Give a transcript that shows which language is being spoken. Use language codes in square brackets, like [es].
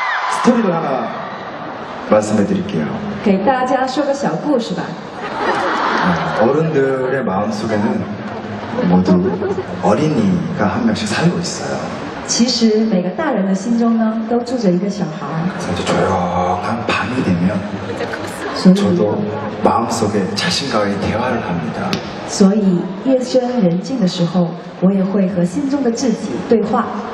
[ko] 스토리를하나말씀해드릴게요。 [zh] 给大家说个小故事吧。 [ko] 어른들의마음속에는모두어린이가한명씩살고있어요 [zh] 其实每个大人的心中呢都住着一个小孩 [ko] 이제조용한밤이되면저도마음속에자신과의대화를합니다 [zh] 所以夜深人静的时候我也会和心中的自己对话